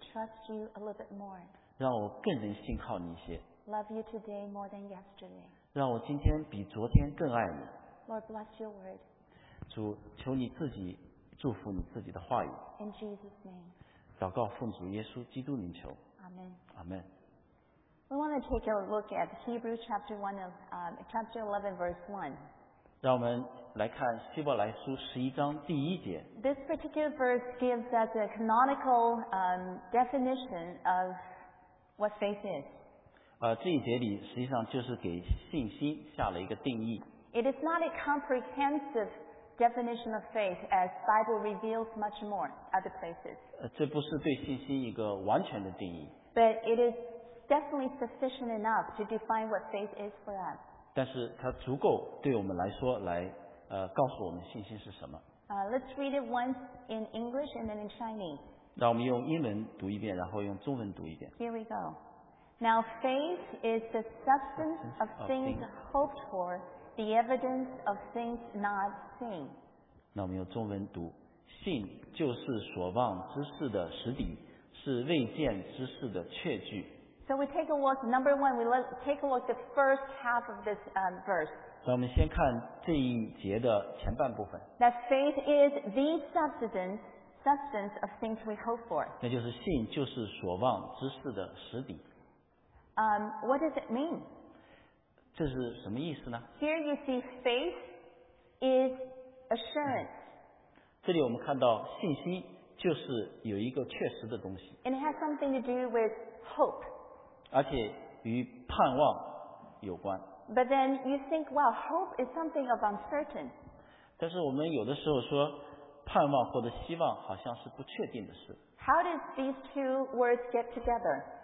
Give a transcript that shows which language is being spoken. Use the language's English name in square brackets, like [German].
[English] Trust you a little bit more. [Chinese] 让我更能信靠你一些。 [English] Love you today more than yesterday. [Chinese] 让我今天比昨天更爱你。 [English] Lord, bless your word. [Chinese] 主，求你自己祝福你自己的话语。 [English] In Jesus' name. [Chinese] 祷告奉主耶稣基督名求。 [English] Amen. Amen. We want to take a look at Hebrews chapter 1 of chapter 11 verse 1. [Chinese] 让我们来看希伯来书十一章第一节。 [English] This particular verse gives us a canonical definition of what faith is. [Chinese] 这一节里实际上就是给信心下了一个定义。 [English] It is not a comprehensive definition of faith as Bible reveals much more other places. [Chinese] 这不是对信心一个完全的定义。 [English] But it isDefinitely sufficient enough to define what faith is for us. [Chinese] 但是它足够对我们来说来告诉我们信心是什么。 [English] Let's read it once in English and then in Chinese. [Chinese] 让我们用英文读一遍，然后用中文读一遍。 [English] Here we go. Now faith is the substance of things hoped for, the evidence of things not seen. [Chinese] 那我们用中文读：信就是所望之事的实底，是未见之事的确据。 [English] So we take a look, number one, we take a look at the first half of this verse. [Chinese] 那我们先看这一节的前半部分。 [English] That faith is the substance of things we hope for. [Chinese] 那就是信就是所望之事的实底。 [English] What does it mean? [Chinese] 这是什么意思呢？ [English] Here you see faith is assurance. [Chinese] 这里我们看到信心就是有一个确实的东西。 [English] And it has something to do with hope. [Chinese] 而且与盼望有关。 [English] But then you think, well, hope is something of uncertain. [Chinese] 但是我们有的时候说盼望或者希望好像是不确定的事。 [English] How did these two words get together?